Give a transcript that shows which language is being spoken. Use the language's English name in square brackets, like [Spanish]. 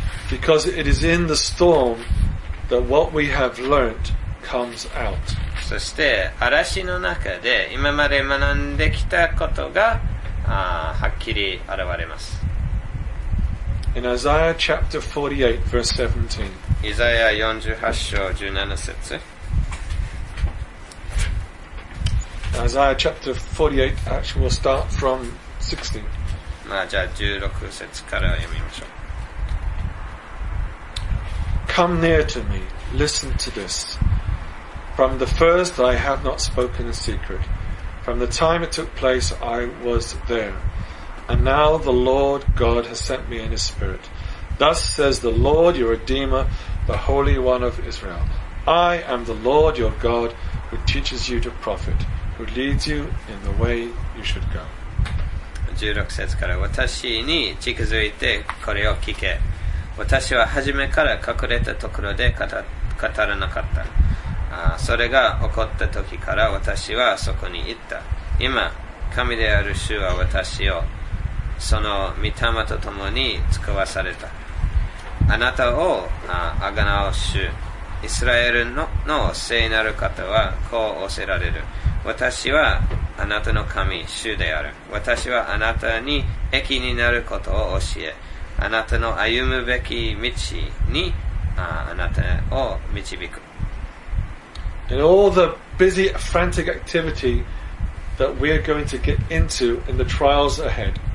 [English] Because it is in the storm that what we have learnt comes out. [Japanese] そして嵐の中で今まで学んできたことがはっきり現れます。 [English] In Isaiah chapter 48 verse 17. [Japanese] イザヤ48章17節。 [English] Isaiah chapter 48, actually we'll start from 16. [Japanese] まあじゃあ16節から読みましょう。 [English] Come near to me, listen to this. From the first I have not spoken a secret. From the time it took place I was there. And now the Lord God has sent me in His Spirit. Thus says the Lord your Redeemer, the Holy One of Israel. I am the Lord your God who teaches you to profit, who leads you in the way you should go. [Japanese] 16節から私に近づいてこれを聞け。私は初めから隠れたところで語らなかった。それが起こった時から私はそこに行った。今、神である主は私をその御霊と共に使わされた。あなたをあがなう主、イスラエル の聖なる方はこう仰せられる。私はあなたの神、主である。私はあなたに益になることを教え、あなたの歩むべき道に あなたを導く。 [English] In all the busy, frantic activity that we are going to get into in the trials ahead.